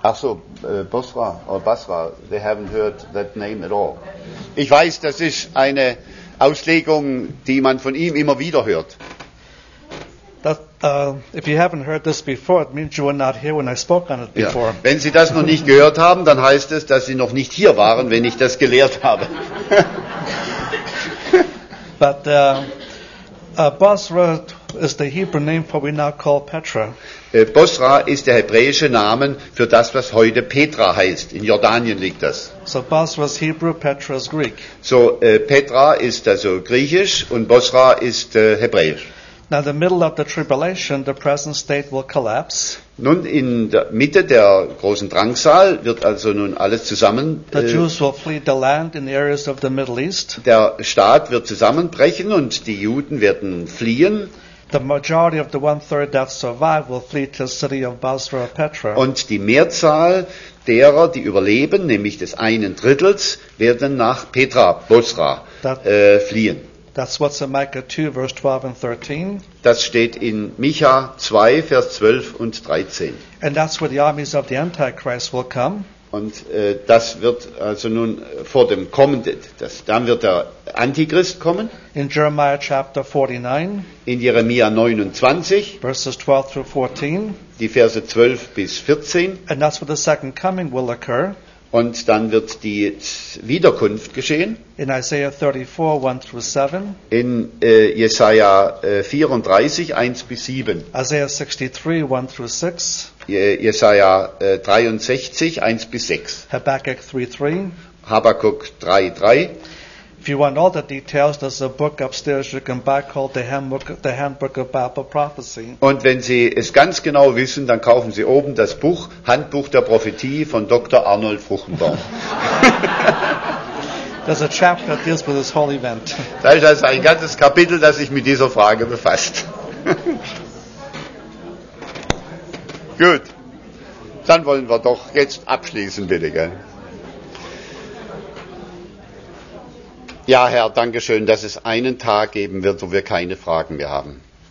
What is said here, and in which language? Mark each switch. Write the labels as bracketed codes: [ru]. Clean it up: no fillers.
[en] Basra [de] oder [en] Basra, they haven't heard that name at all. [de] Ich weiß, das ist eine Auslegung, die man von ihm immer wieder hört. [en] If you haven't heard this before, it means you were not here when I spoke on it before. [de] Ja. Wenn Sie das noch nicht gehört haben, dann heißt es, dass Sie noch nicht hier waren, wenn ich das gelehrt habe. [en] But Basra is the Hebrew name for what we now call Petra. [de] Basra ist der hebräische Name für das, was heute Petra heißt. In Jordanien liegt das. [en] So Basra is Hebrew, Petra is Greek. [de] So Petra ist also griechisch und Basra ist hebräisch. [en] Now in the middle of the tribulation, the present state will collapse. [de] Nun in der Mitte der großen Drangsal wird also nun alles zusammen. [en] The Jews will flee the land in the areas of the Middle East. [de] Der Staat wird zusammenbrechen und die Juden werden fliehen. [en] The majority of the one-third that survive will flee to the city of Basra or Petra. [de] Und die Mehrzahl derer, die überleben, nämlich des einen Drittels, werden nach Petra, Basra, fliehen. [en] That's what's in Micah 2, verse 12 and 13. [de] Das steht in Micha 2, Vers 12 und 13. [en] And that's where the armies of the Antichrist will come. [de] Und das wird also nun vor dem Kommenden, dann wird der Antichrist kommen. [en] In Jeremiah chapter 49. [de] In Jeremia 29. [en] Verses 12 through 14. [de] Die Verse 12 bis 14. [en] And that's where the second coming will occur. [de] Und dann wird die Wiederkunft geschehen. [en] In Isaiah 34, 1 through 7. [de] In Jesaja 34, 1 bis 7. [en] Isaiah 63, 1 through 6. [de] Jesaja 63, 1 bis 6. [en] Habakkuk 3, 3. [de] Habakkuk 3, 3. [en] If you want all the details, there's a book upstairs you can buy called the Handbook of Bible Prophecy. [de] Und wenn Sie es ganz genau wissen, dann kaufen Sie oben das Buch Handbuch der Prophetie von Dr. Arnold Fruchtenbaum. [en] There's a chapter that deals with this whole event. [de] Da ist also ein ganzes Kapitel, das sich mit dieser Frage befasst. Gut, dann wollen wir doch jetzt abschließen, bitte, gell? Ja, Herr, danke schön, dass es einen Tag geben wird, wo wir keine Fragen mehr haben.